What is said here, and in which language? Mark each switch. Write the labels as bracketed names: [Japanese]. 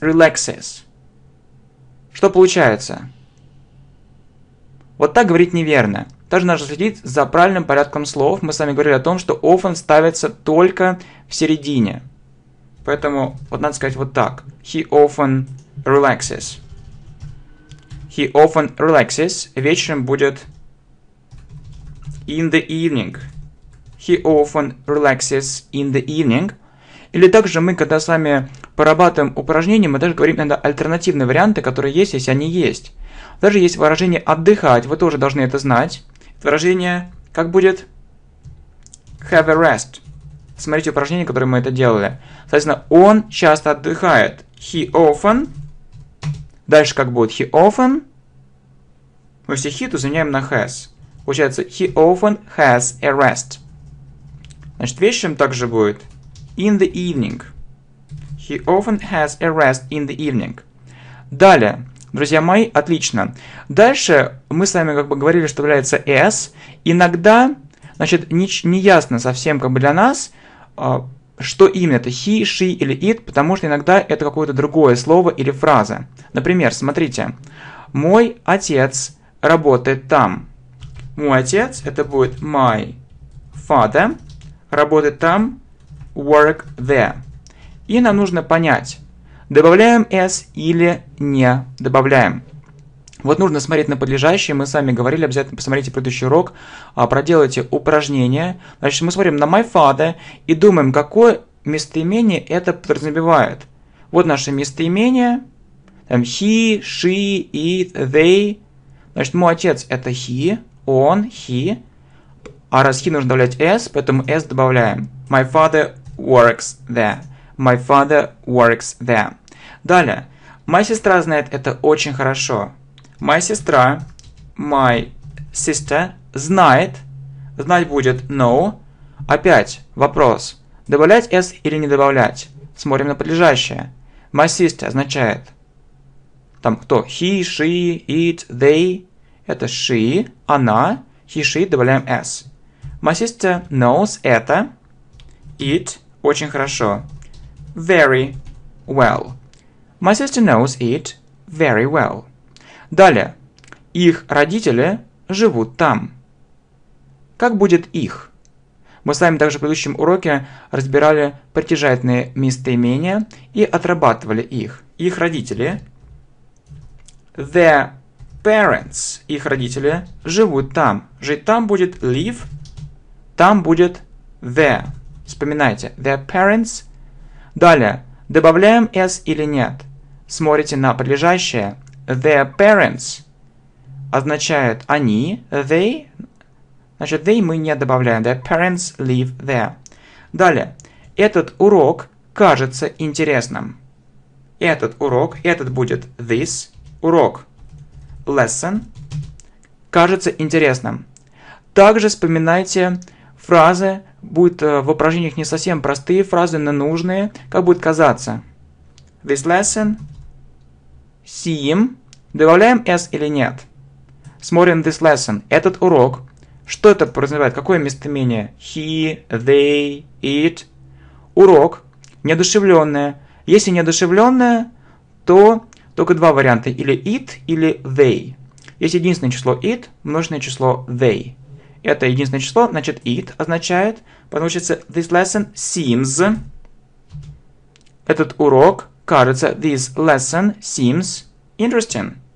[Russian] Relaxes. Что получается? Вот так говорить неверно. Также нужно следить за правильным порядком слов. Мы с вами говорили о том, что often ставится только в середине. Поэтому вот надо сказать вот так. [English] He often relaxes. He often relaxes. [Russian] Вечером будет [English] in the evening. He often relaxes in the evening. [Russian] Или также мы, когда с вами порабатываем упражнения, мы даже говорим иногда альтернативные варианты, которые есть, если они есть. Даже есть выражение «отдыхать», вы тоже должны это знать. Выражение, как будет? [English] Have a rest. [Russian] Смотрите упражнение, которое мы это делали. Соответственно, он часто отдыхает. He often. Дальше как будет? He often. Мы все he заменяем на has. [English] Получается, he often has a rest. [Russian] Значит, вечером также будет in the evening. [English] He often has a rest in the evening. [Russian] Далее. Друзья мои, отлично. Дальше мы с вами как бы говорили, что является S. Иногда, значит, не ясно совсем как бы для нас, что именно это he, she или it, потому что иногда это какое-то другое слово или фраза. Например, смотрите. Мой отец работает там. Мой отец, это будет my father, работает там, [English] work there. [Russian] И нам нужно понять, добавляем S или не добавляем. Вот нужно смотреть на подлежащее. Мы с вами говорили, обязательно посмотрите предыдущий урок, проделайте упражнение. Значит, мы смотрим на my father и думаем, какое местоимение это подразумевает. Вот наше местоимение. Там he, she, it, they. Значит, мой отец это he, он, he. А раз he нужно добавлять S, поэтому S добавляем. [English] My father works there. My father works there. Далее. [Russian] Моя сестра знает это очень хорошо. Моя сестра, my sister, знает. Знать будет know. Опять вопрос. Добавлять S или не добавлять? Смотрим на подлежащее. My sister означает. Там кто? He, she, it, they. Это she, она. [English] He, she, добавляем S. My sister knows это. [Russian] It очень хорошо. [English] Very well. My sister knows it very well. [Russian] Далее. Их родители живут там. Как будет их? Мы с вами также в предыдущем уроке разбирали притяжательные местоимения и отрабатывали их. Их родители. Their parents. Их родители живут там. Жить там будет live. Там будет their. Вспоминайте. Their parents. Далее, добавляем S или нет? Смотрите на подлежащее. [English] Their parents означает они, they. [Russian] Значит, they мы не добавляем. [English] Their parents live there. [Russian] Далее, этот урок кажется интересным. Этот урок, этот будет this, урок, lesson, кажется интересным. Также вспоминайте фразы, будут в упражнениях не совсем простые фразы, но нужные, как будет казаться. This lesson, seem, добавляем s или нет. Смотрим this lesson, этот урок, что это подразумевает, какое местоимение, he, they, it, урок, неодушевленное. Если неодушевленное, то только два варианта, или it, или they. Есть единственное число it, множественное число they. Это единственное число, значит it означает, получается this lesson seems, этот урок, кажется, [English] this lesson seems interesting.